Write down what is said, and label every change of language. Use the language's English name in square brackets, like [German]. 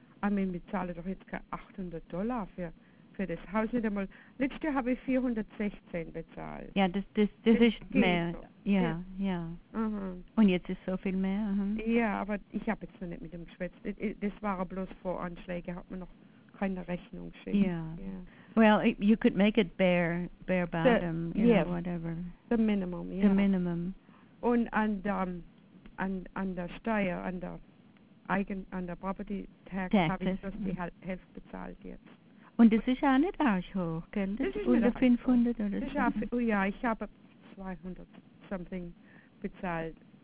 [English] I mean, [German] wir zahlen doch jetzt kein $800 für das Haus nicht einmal. Letztes Jahr habe ich 416 bezahlt. Ja, das ist mehr. Ja. Mhm. Und jetzt ist so viel mehr. Mhm. Ja, aber ich habe jetzt noch nicht mit ihm geschwätzt. Das waren bloß Voranschläge, hat man noch keine Rechnung geschickt. Ja. [English] Well, you could make it bare bottom, know, whatever. The minimum, The minimum. [German] Und an der Steuer, an der Property Tax habe ich bloß die Hälfte bezahlt jetzt. Und das ist auch nicht arg hoch, gell? Das ist unter 500 oder so. Ich habe 200 [English] something [German] bezahlt.